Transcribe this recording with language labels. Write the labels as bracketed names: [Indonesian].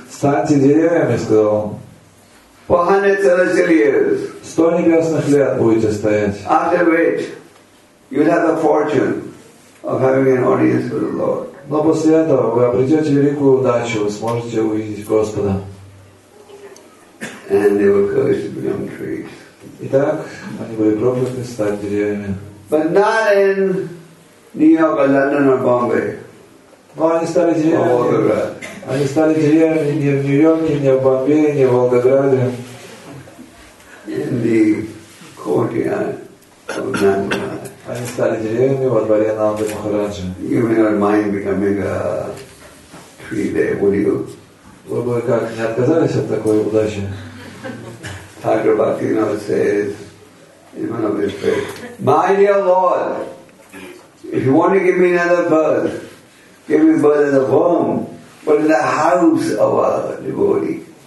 [Russian] Станьте деревьями, сказал он. [English] For 100 celestial years. [Russian] 100 небесных лет будете стоять. [English] After which you'll have the fortune of having an audience with the Lord. [Russian] Но после этого вы обретете великую удачу, вы сможете увидеть Господа. [English] And they were cursed to become trees. [Russian] Итак, они были прокляты стать деревьями. [English] But not in New York or London or Bombay. [Russian] Они стали деревьями не в Нью-Йорке, не в Бомбее, не в Волгограде. [English] In the courtyard of Нандамара. [Russian] Они стали деревьями во дворе Нанды Махараджа. [English] You may not mind becoming a tree there, would you? [Russian] Вы бы как, не отказались от такой удачи? [English] Thakur Bhaktivinoda says in one of his prayers, "My dear Lord, if you want to give me another birth, give me birth in a home, but in the house of a devotee."